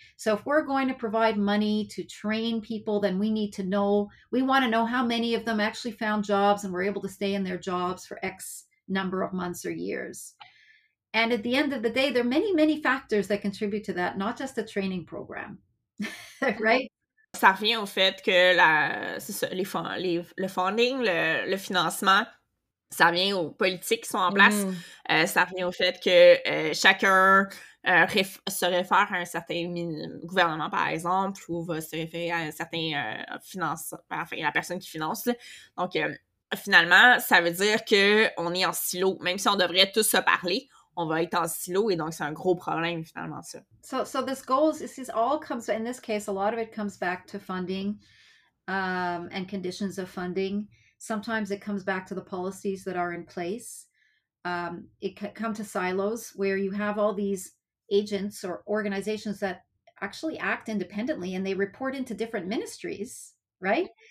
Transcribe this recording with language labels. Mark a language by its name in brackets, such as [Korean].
[English] So if we're going to provide money to train people, then we want to know how many of them actually found jobs and were able to stay in their jobs for X number of months or years. And at the end of the day, there are many, many factors that contribute to that, not just the training program, right? [French] Ça revient au fait que le funding, le financement, ça revient aux politiques qui sont en place. Ça revient au fait que chacun se réfère à un certain gouvernement, par exemple, ou va se référer à un certain la personne qui finance. Là. Donc, finalement, ça veut dire qu'on est en silo, même si on devrait tous se parler. On va être en silo, et donc c'est un gros problème finalement ça. [English] So this goes, this all comes, in this case, a lot of it comes back to funding and conditions of funding. Sometimes it comes back to the policies that are in place. It can come to silos where you have all these agents or organizations that actually act independently, and they report into different ministries, right?